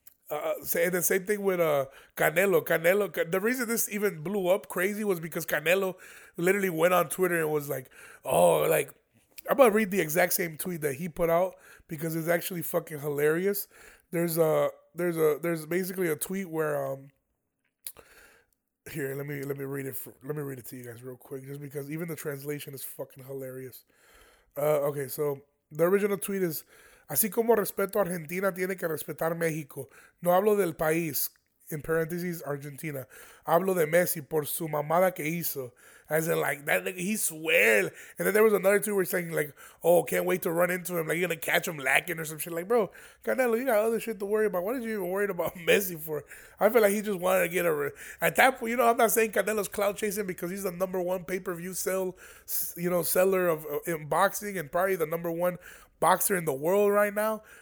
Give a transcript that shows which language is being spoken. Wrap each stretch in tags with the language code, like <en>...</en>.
<en>And the same thing with Canelo. Canelo, the reason this even blew up crazy was because Canelo literally went on Twitter and was like, oh, like, I'm going to read the exact same tweet that he put out because it's actually fucking hilarious. There's basically a tweet where, here, let me read it. Let me read it to you guys real quick, just because even the translation is fucking hilarious. Okay, so the original tweet is,</en> <es>así como respeto a Argentina, tiene que respetar México. No hablo del país.</es> <en>in parentheses,</en> <es>Argentina. Hablo de Messi por su mamada que hizo.</es> <en>As in, like, that nigga, he swear. And then there was another two were saying, like, oh, can't wait to run into him. Like, you're going to catch him lacking or some shit. Like, bro, Canelo, you got other shit to worry about. What are you even worried about Messi for? I feel like he just wanted to get a at that point, you know, I'm not saying Canelo's clout chasing because he's the number one pay-per-view sell, you know, seller of in boxing and probably the number one boxer in the world right now.</en>